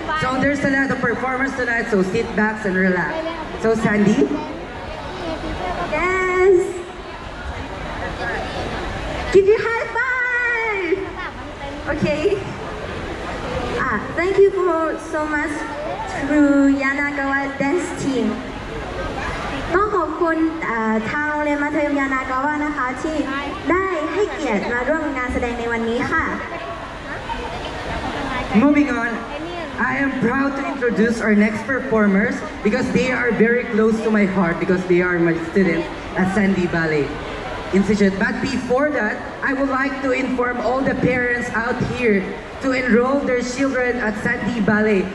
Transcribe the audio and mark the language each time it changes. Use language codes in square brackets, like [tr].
[en] So there's a lot of performance tonight, so sit back and relax. So Sandy? Yes! Give you high five! Okay. Thank you for so much to Yanakawa dance team. [th] ต้องขอบคุณทางโรงเรียนมัธยมยานากาวะนะคะที่ได้ให้เกียรติมาร่วมงานแสดงในวันนี้ค่ะ [en] Moving on, I am proud to introduce our next performers because they are very close to my heart because they are my students at Sandy Ballet Institute. But before that, I would like to inform all the parents out here to enroll their children at Sandy Ballet.